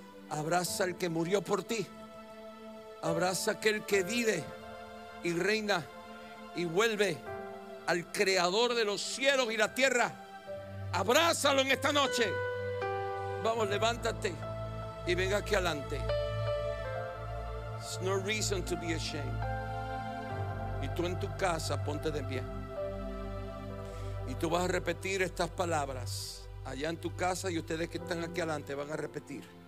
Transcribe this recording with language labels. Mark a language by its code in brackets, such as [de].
[es] Abraza al que murió por ti. Abraza aquel que vive y reina y vuelve al creador de los cielos y la tierra. Abrázalo en esta noche. Vamos, levántate y venga aquí adelante. [en] There's no reason to be ashamed. [es] Y tú en tu casa, ponte de pie. Y tú vas a repetir estas palabras allá en tu casa, y ustedes que están aquí adelante van a repetir.